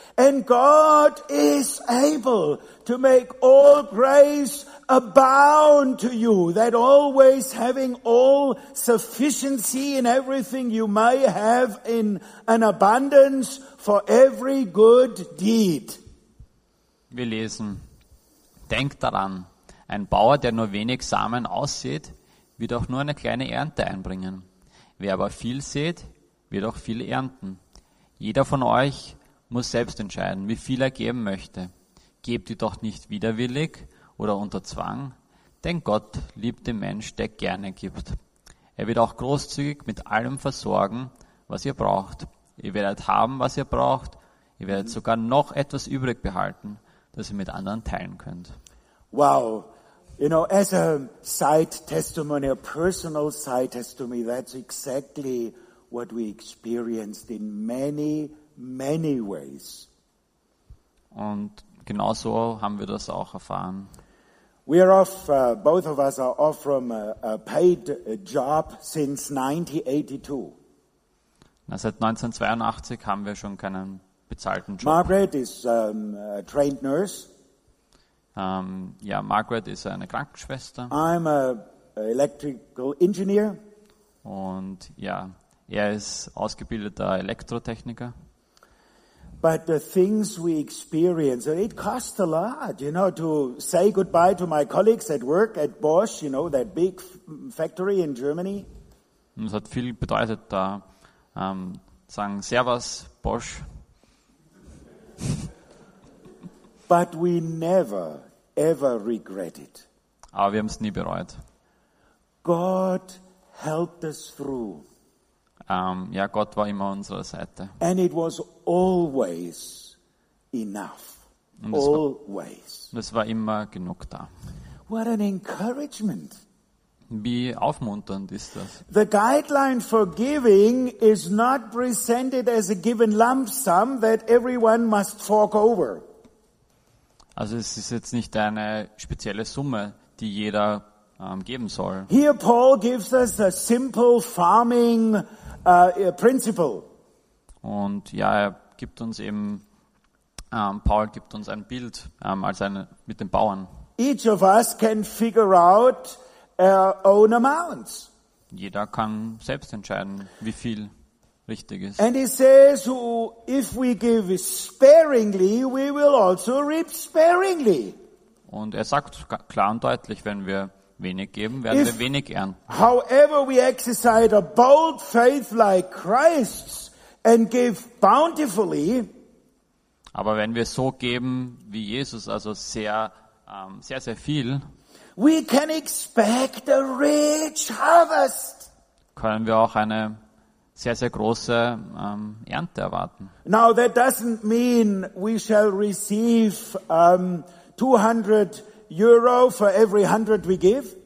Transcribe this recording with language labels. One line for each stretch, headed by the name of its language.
English: And God is able to make all grace abound to you, that always having all sufficiency in everything you may have in an abundance for every good deed.
German: Wir lesen. Denkt daran, ein Bauer, der nur wenig Samen aussät, wird auch nur eine kleine Ernte einbringen. Wer aber viel sät, wird auch viel ernten. Jeder von euch muss selbst entscheiden, wie viel er geben möchte. Gebt ihr doch nicht widerwillig oder unter Zwang, denn Gott liebt den Mensch, der gerne gibt. Er wird auch großzügig mit allem versorgen, was ihr braucht. Ihr werdet haben, was ihr braucht. Ihr werdet sogar noch etwas übrig behalten, das ihr mit anderen teilen könnt.
English: Wow. You know, as a side testimony, a personal side testimony, that's exactly what we experienced in many, many ways.
German: Und genauso haben wir das auch erfahren.
English: We are off, both of us are off from a paid job since 1982.
German: Na, seit 1982 haben wir schon keinen bezahlten Job.
English: Margaret is a trained nurse.
German: Ja, Margaret ist eine Krankenschwester.
English: I'm a electrical engineer.
German: Und ja, ist ausgebildeter Elektrotechniker.
English: But the things we experience, it costs a lot, you know, to say goodbye to my colleagues at work at Bosch, you know, that big factory in Germany.
German: Es hat viel bedeutet, da sagen Servus, Bosch.
English: But we never, ever regret it.
German: Aber wir haben es nie bereut.
English: God helped us through.
German: Gott war immer unserer Seite.
English: And it was always enough.
German: Und es
English: always.
German: Es war immer genug da.
English: What an encouragement.
German: Wie aufmunternd ist das?
English: The guideline for giving is not presented as a given lump sum that everyone must fork over.
German: Also es ist jetzt nicht eine spezielle Summe, die jeder geben soll.
English: Here Paul gives us a simple farming principle.
German: Und ja, er gibt uns eben, Paul gibt uns ein Bild als eine, mit den Bauern.
English: Each of us can figure out our own amounts.
German: Jeder kann selbst entscheiden, wie viel richtig ist.
English: And he says, if we give sparingly, we will also reap sparingly.
German: Und er sagt klar und deutlich, wenn wir wenig geben, werden wir wenig ernten.
English: However we exercise a bold faith like Christ's and give bountifully.
German: Aber wenn wir so geben wie Jesus, also sehr, sehr, sehr viel.
English: We can expect a rich harvest.
German: Können wir auch eine sehr, sehr große Ernte erwarten.
English: Now that doesn't mean we shall receive 200 Euro for every 100 we give.